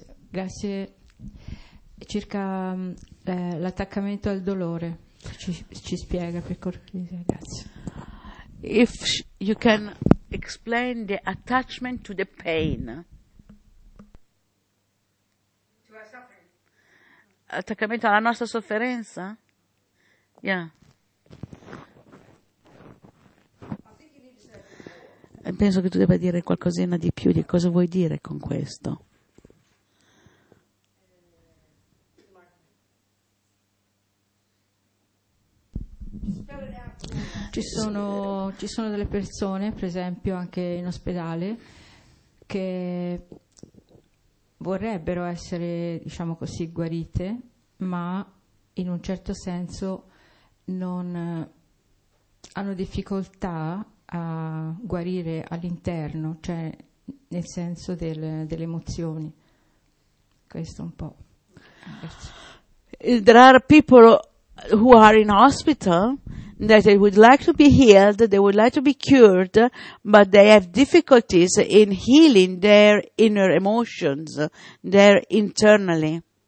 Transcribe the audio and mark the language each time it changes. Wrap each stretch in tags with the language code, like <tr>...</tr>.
<it>Grazie. Circa l'attaccamento al dolore, ci spiega per cortesia, grazie.</it> <en>If you can explain the attachment to the pain. To our suffering.</en> <it>Attaccamento alla nostra sofferenza? Yeah. Penso che tu debba dire qualcosina di più di cosa vuoi dire con questo. Ci sono delle persone, per esempio anche in ospedale, che vorrebbero essere, diciamo così, guarite, ma in un certo senso non hanno difficoltà a guarire all'interno, cioè nel senso delle emozioni. Questo un po'.</it> <en>There are people who are in hospital that they would like to be healed, they would like to be cured, but they have difficulties in healing their inner emotions, their internally.</en>